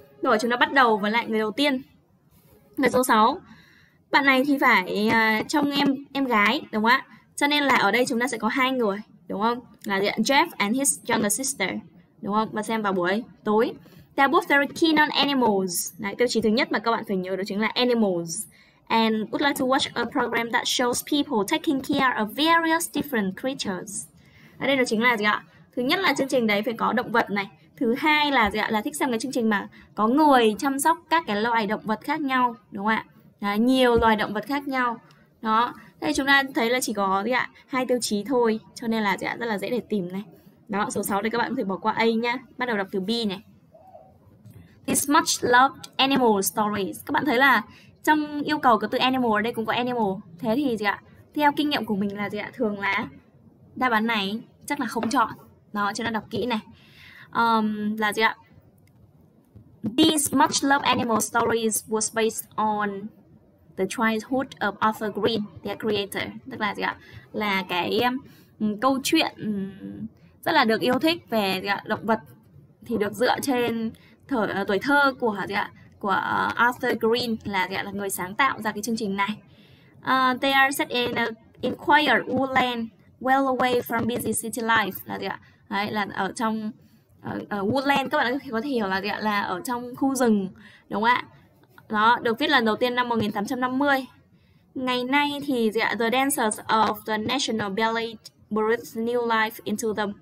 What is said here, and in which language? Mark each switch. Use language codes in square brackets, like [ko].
[vi] Rồi chúng ta bắt đầu với lại người đầu tiên. Người số 6. Bạn này thì phải trông em gái, đúng không ạ? Cho nên là ở đây chúng ta sẽ có 2 người, đúng không? Là gì ạ? [en] Jeff and his younger sister, [vi] đúng không? Và xem vào buổi tối. [en] They're both very keen on animals. [vi] Đấy, tiêu chí thứ nhất mà các bạn phải nhớ đó chính là animals. [en] And would like to watch a program that shows people taking care of various different creatures. [vi] Ở đây đó chính là gì ạ? Thứ nhất là chương trình đấy phải có động vật này. Thứ hai là gì ạ? Là thích xem cái chương trình mà có người chăm sóc các cái loài động vật khác nhau, đúng không ạ? Đấy, nhiều loài động vật khác nhau. Đó. Đây chúng ta thấy là chỉ có gì ạ? 2 tiêu chí thôi, cho nên là gì ạ? Rất là dễ để tìm này. Đó, số 6 thì các bạn có thể bỏ qua A nhá. Bắt đầu đọc từ B này. [en] This much loved animal stories. [vi] Các bạn thấy là trong yêu cầu có từ animal ở đây cũng có animal. Thế thì gì ạ? Theo kinh nghiệm của mình là gì ạ? Thường là đáp án này chắc là không chọn. Đó, cho nó đọc kỹ này. Là gì ạ? [en] This much loved animal stories was based on the childhood of Arthur Green, their creator. [vi] Tức là gì ạ? Là cái câu chuyện rất là được yêu thích về gì ạ? Động vật thì được dựa trên tuổi thơ của gì ạ? Của Arthur Green là gì ạ? Là người sáng tạo ra cái chương trình này. [en] They are set in a in quiet woodland, well away from busy city life [vi] là gì ạ? Đấy, là ở trong woodland, các bạn có thể hiểu là gì ạ? Là ở trong khu rừng, đúng không ạ? Đó, được viết lần đầu tiên năm 1850. Ngày nay thì gì ạ? [en] The dancers of the National Ballet breathed new life into them.